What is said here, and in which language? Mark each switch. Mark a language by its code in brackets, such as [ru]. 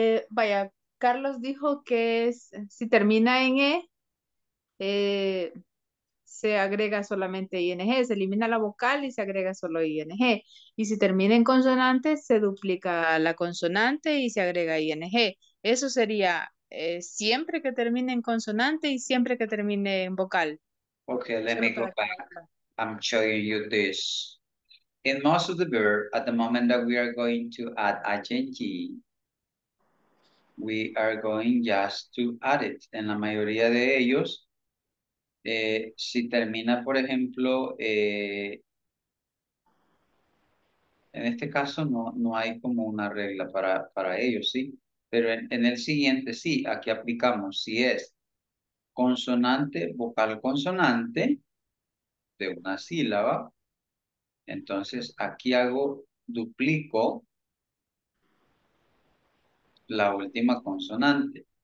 [es] Vaya, Carlos dijo que si termina en E, se agrega solamente ING, se elimina la vocal y se agrega solo ING. Y si termina en consonante, se duplica la consonante y se agrega ING. Eso sería... siempre que termine en consonante y siempre que termine en vocal. [en] Okay, let me go back. I'm showing you this. In most of the verb, at the moment that we are going to add ing, we are going just to add it. [es] En la mayoría de ellos, si termina, por ejemplo, en este caso no hay como una regla para ellos, ¿sí? Pero en el siguiente, sí, aquí aplicamos. Si es consonante, vocal consonante de una sílaba, entonces aquí hago, duplico la última consonante.